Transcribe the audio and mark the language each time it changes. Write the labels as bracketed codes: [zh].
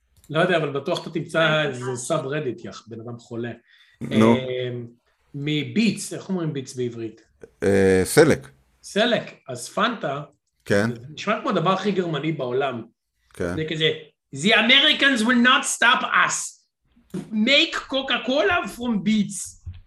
[he] לא יודע, אבל בטוח אתה תמצא איזה סאב רדיט, יח, בן אדם חולה. נו. מביץ, איך אומרים ביץ בעברית? סלק. סלק, אז פנטה. כן. נשמע כמו הדבר הכי גרמני בעולם. כן. זה כזה, [en] The Americans will not stop us. Make Coca-Cola from beets.